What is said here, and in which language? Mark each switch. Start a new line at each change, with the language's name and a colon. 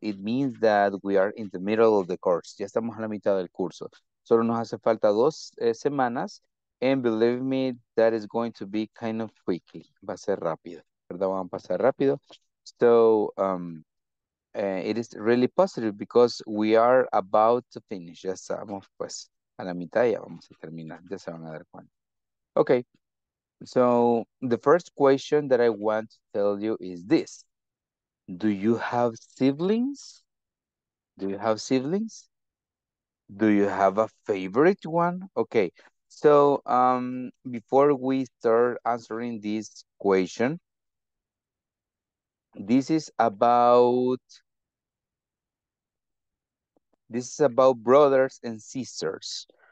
English: It means that we are in the middle of the course.
Spanish: Ya estamos a la mitad del curso. Solo nos hace falta dos semanas.
English: And believe me, that is going to be kind of quickly.
Spanish: Va a ser rápido, ¿verdad? Va a pasar rápido.
English: So, it is really positive because we are about to finish.
Spanish: Ya estamos, pues, a la mitad y ya vamos a terminar. Ya se van a dar cuenta. Okay.
English: So, the first question that I want to tell you is this. Do you have siblings? Do you have siblings? Do you have a favorite one? Okay. So, before we start answering this question, this is about brothers and sisters.